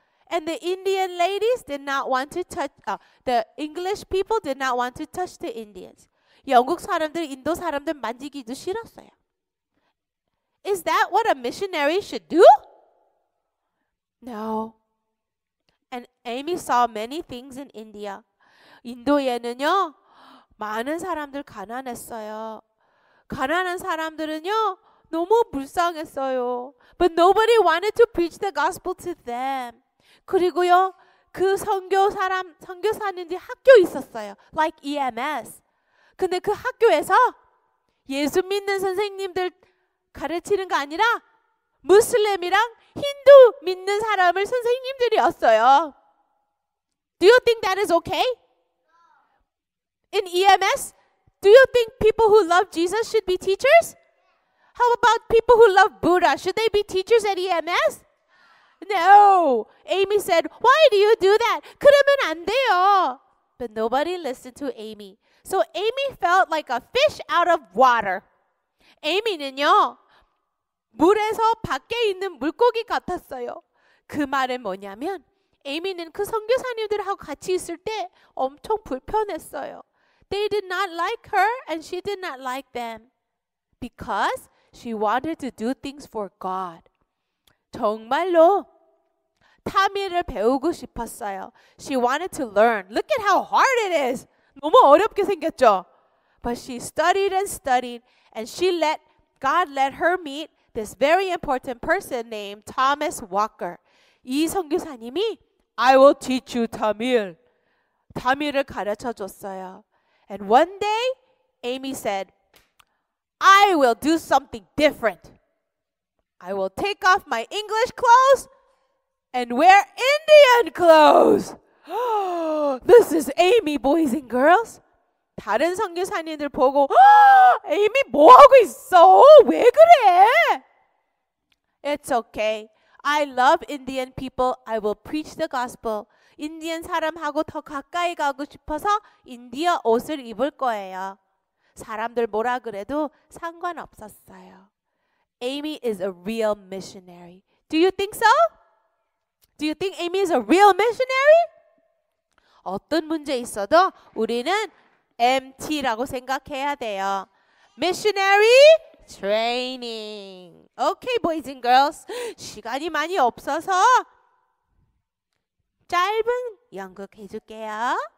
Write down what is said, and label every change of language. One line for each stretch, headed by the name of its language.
English: And the Indian ladies did not want to touch, the English people did not want to touch the Indians.
Korean: 영국 사람들, 인도 사람들 만지기도 싫었어요.
English: Is that what a missionary should do? No. And Amy saw many things in India.
Korean: 인도에는요, 많은 사람들 가난했어요. 가난한 사람들은요, 너무 불쌍했어요.
English: But nobody wanted to preach the gospel to them.
Korean: 그리고요, 그 선교사님들 학교 있었어요.
English: Like EMS.
Korean: 근데 그 학교에서 예수 믿는 선생님들 가르치는 거 아니라 무슬림이랑 힌두 믿는 사람을 선생님들이었어요.
English: Do you think that is okay? In EMS, do you think people who love Jesus should be teachers? How about people who love Buddha? Should they be teachers at EMS? No, Amy said, why do you do that?
Korean: 그러면 안 돼요.
English: But nobody listened to Amy. So Amy felt like a fish out of water.
Korean: Amy는요, 물에서 밖에 있는 물고기 같았어요. 그 말은 뭐냐면, Amy는 그 선교사님들하고 같이 있을 때 엄청 불편했어요.
English: They did not like her and she did not like them because she wanted to do things for God.
Korean: 정말로 타미를 배우고 싶었어요.
English: She wanted to learn. Look at how hard it is.
Korean: 너무 어렵게 생겼죠?
English: But she studied and studied and she let God let her meet this very important person named Thomas Walker.
Korean: 이 선교사님이
English: I will teach you Tamil.
Korean: 타미를 가르쳐 줬어요.
English: And one day, Amy said, I will do something different. I will take off my English clothes and wear Indian clothes. This is Amy, boys and girls.
Korean: 다른 선교사님들 보고, Amy, 뭐하고 있어? 왜 그래?
English: It's okay. I love Indian people. I will preach the gospel.
Korean: 인디언 사람하고 더 가까이 가고 싶어서 인디어 옷을 입을 거예요. 사람들 뭐라 그래도 상관없었어요.
English: Amy is a real missionary. Do you think so? Do you think Amy is a real missionary?
Korean: 어떤 문제 있어도 우리는 MT라고 생각해야 돼요.
English: Missionary training. Okay, boys and girls.
Korean: 시간이 많이 없어서 짧은 연극 해줄게요.